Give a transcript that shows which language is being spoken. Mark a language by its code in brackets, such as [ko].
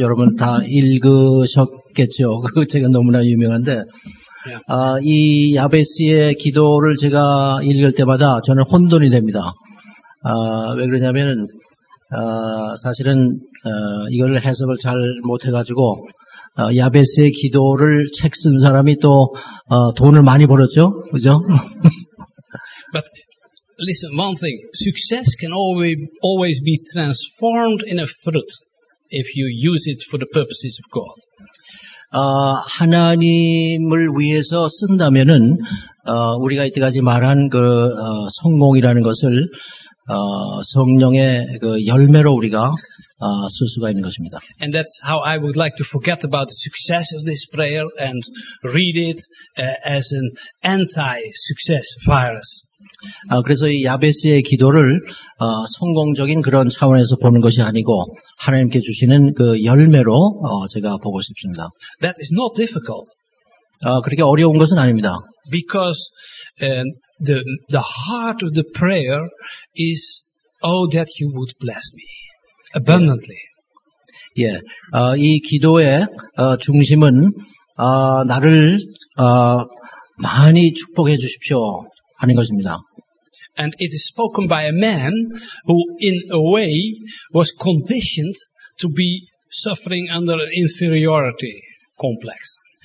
[ko] 여러분 다 읽으셨겠죠. 그 책은 너무나 유명한데 아, 이 야베스의 기도를 제가 읽을 때마다 저는 혼돈이 됩니다. 아, 왜 그러냐면 사실은 이걸 해석을 잘 못해가지고 야베스의 기도를 책 쓴 사람이 또 돈을 많이 벌었죠. 그죠? [en] But listen, one thing. Success can always be transformed in a fruit if you use it for the purposes of God. [ko] 하나님을 위해서 쓴다면은 우리가 이때까지 말한 그 성공이라는 것을 성령의 그 열매로 우리가 쓸 수가 있는 것입니다. [en] And that's how I would like to forget about the success of this prayer and read it as an anti-success virus. [ko] 그래서 이 야베스의 기도를 성공적인 그런 차원에서 보는 것이 아니고 하나님께 주시는 그 열매로 제가 보고 싶습니다. [en] That is not difficult. [ko] 그렇게 어려운 것은 아닙니다. [en] Because the heart of the prayer is, oh, that you would bless me abundantly. [ko] 예, 이 기도의 중심은 나를 많이 축복해 주십시오 하는 것입니다. [en] And it is spoken by a man who, in a way, was conditioned to be suffering under an inferiority complex.